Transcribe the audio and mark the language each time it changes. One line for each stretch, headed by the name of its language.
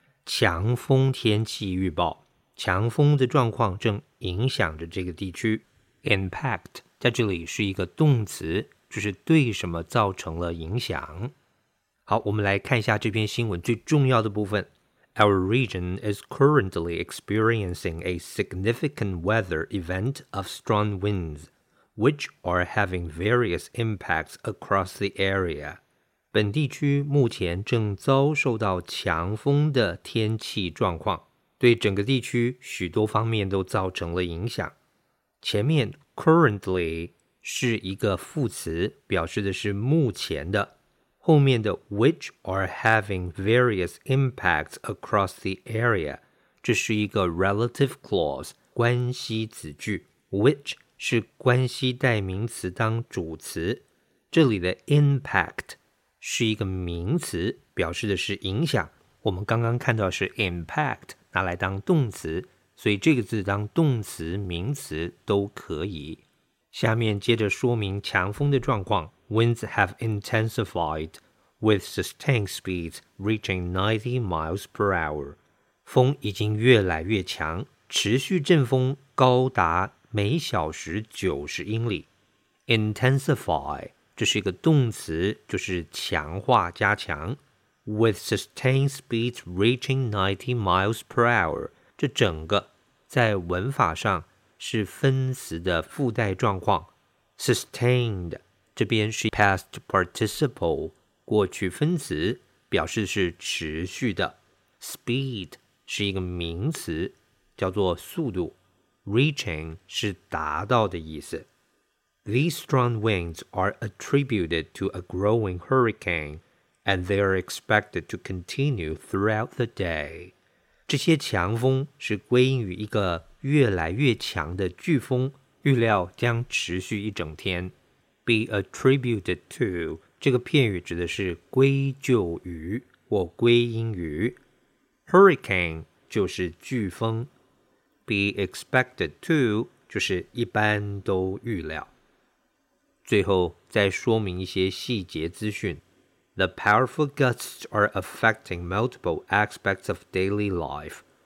Chinese: 强风天气预报，强风的状况正影响着这个地区。 Impact 在这里是一个动词，就是对什么造成了影响。好，我们来看一下这篇新闻最重要的部分。
English: Our region is currently experiencing a significant weather event of strong winds, which are having various impacts across the area.
Chinese: 本地区目前正遭受到强风的天气状况，对整个地区许多方面都造成了影响。前面 currently 是一个副词，表示的是目前的。后面的
English: which are having various impacts across the area,
Chinese: 这是一个
English: relative clause,
Chinese: 关系子句 which 是关系代名词当主词。这里的 impact 是一个名词，表示的是影响。我们刚刚看到是 impact, 拿来当动词，所以这个字当动词、名词都可以。下面接着说明强风的状况。
English: Winds have intensified, with sustained speeds reaching 90 miles per hour.
Chinese: 风已经越来越强，持续阵风高达每小时90英里。 Intensify, 这是一个动词，就是强化加强。
English: With sustained speeds reaching 90 miles per hour,
Chinese: 这整个在文法上是分词的附带状况。 Sustained,这边是
English: past participle,
Chinese: 过去分词，表示是持续的。 Speed 是一个名词，叫做速度。 Reaching 是达到的意思。
English: These strong winds are attributed to a growing hurricane, and they are expected to continue throughout the day.
Chinese: 这些强风是归因于一个越来越强的飓风，预料将持续一整天。
English: Be attributed to,
Chinese: 这个片语指的是归咎于或归因于。 Hurricane 就是飓风。
English: Be expected to,
Chinese: 就是一般都预料。最后再说明一些细节资讯。
English: The powerful gusts are affecting multiple aspects of daily life.